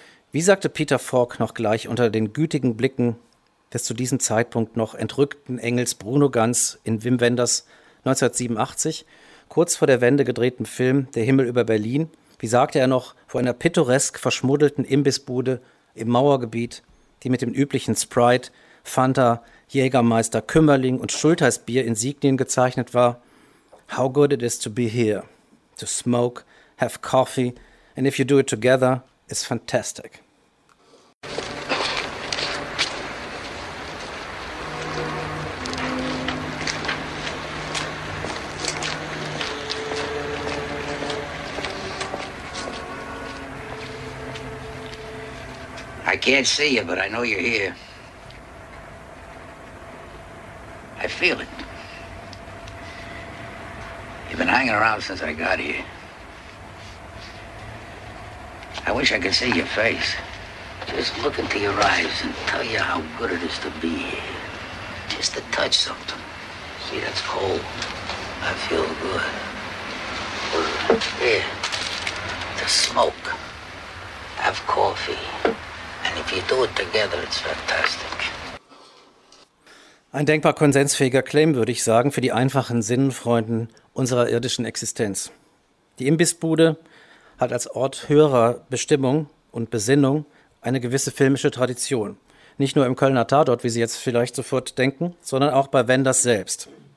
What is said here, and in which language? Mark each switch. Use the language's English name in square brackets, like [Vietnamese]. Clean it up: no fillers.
[German] Wie sagte Peter Falk noch gleich unter den gütigen Blicken des zu diesem Zeitpunkt noch entrückten Engels Bruno Ganz in Wim Wenders 1987, kurz vor der Wende gedrehten Film Der Himmel über Berlin, wie sagte er noch vor einer pittoresk verschmuddelten Imbissbude im Mauergebiet, die mit dem üblichen Sprite, Fanta, Jägermeister, Kümmerling und Schultheißbier Insignien gezeichnet war? [English] How good it is to be here, to smoke, have coffee, and if you do it together, it's fantastic. I can't see you, but I know you're here. I feel it. You've been hanging around since I got here. I wish I could see your face. Just look into your eyes and tell you how good it is to be here. Just to touch something. See, that's cold. I feel good. Here. To smoke. Have coffee. And if you do it together, it's fantastic. [German] Ein denkbar konsensfähiger Claim, würde ich sagen, für die einfachen Sinnenfreunde unserer irdischen Existenz. Die Imbissbude hat als Ort höherer Bestimmung und Besinnung eine gewisse filmische Tradition. Nicht nur im Kölner Tatort, wie Sie jetzt vielleicht sofort denken, sondern auch bei Wenders selbst.